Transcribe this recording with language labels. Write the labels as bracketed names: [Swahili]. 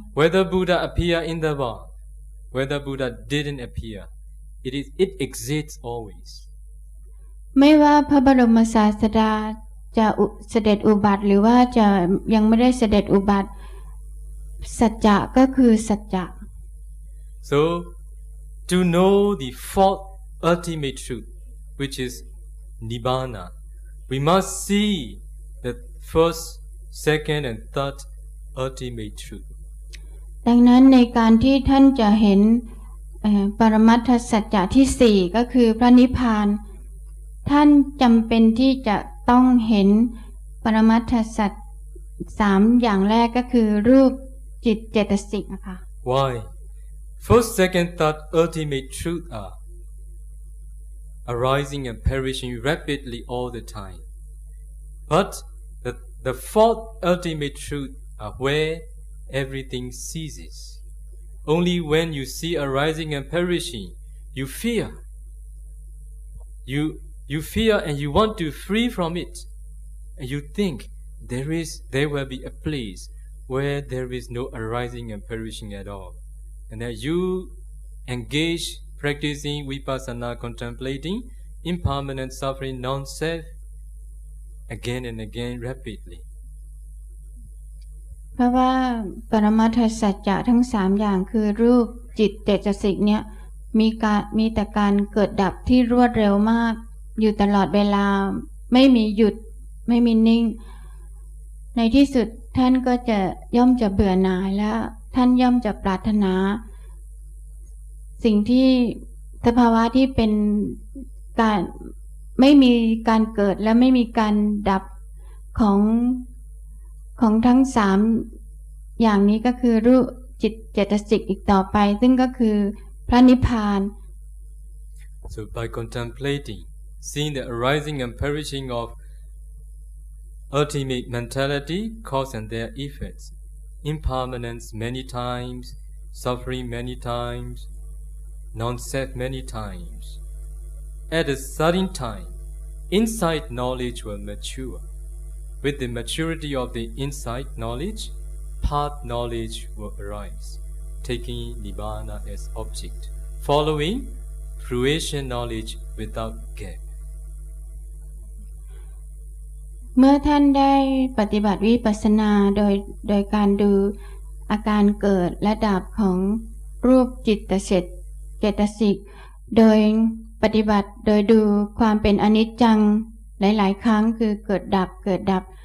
[English] whether Buddha appear in the world whether Buddha didn't appearit exists always [Thai] ไม่ว่าพระบรมศาสดาจะเสด็จอุบัติหรือว่าจะยังไม่ได้เสด็จอุบัติสัจจะก็คือสัจจะ [English] so to know the fourth ultimate truth which is nibbana we must see the first second and third ultimate truth [Thai] ดังนั้นในการที่ท่านจะเห็นปรมัตถสัจจะที่4ก็คือพระนิพพานท่านจำเป็นที่จะต้องเห็นปรมัตถสัจ3อย่างแรกก็คือรูปจิตเจตสิกอะค่ะ [English] Why first second third ultimate truth are arising and perishing rapidly all the time but the fourth ultimate truth are where everything ceasesOnly when you see arising and perishing, you fear. You fear and you want to free from it. And you think there will be a place where there is no arising and perishing at all. And that you engage practicing vipassana contemplating impermanent suffering non-self again and again rapidly. [Thai] เพราะว่าปรมัตถสัจจะทั้ง3อย่างคือรูปจิตเจตสิกเนี่ยมีแต่การเกิดดับที่รวดเร็วมากอยู่ตลอดเวลาไม่มีหยุดไม่มีนิ่งในที่สุดท่านก็จะย่อมจะเบื่อหน่ายและท่านย่อมจะปรารถนา สิ่งที่สภาวะที่เป็นการไม่มีการเกิดและไม่มีการดับของทั้ง3อย่างนี้ก็คือรูปจิตเจตสิกอีกต่อไปซึ่งก็คือพระนิพพาน [English] So by contemplating seeing the arising and perishing of ultimate mentality cause and their effects impermanence many times suffering many times non-self many times at a certain time insight knowledge will maturewith the maturity of the insight knowledge path knowledge will arise taking nibbana as object following fruition knowledge without gap [Thai] เมื่อท่านได้ปฏิบัติวิปัสสนาโดยการดูอาการเกิดและดับของรูปจิตตเจตสิกโดยปฏิบัติโดยดูความเป็นอนิจจังหลายๆครั้งคือเกิดดับ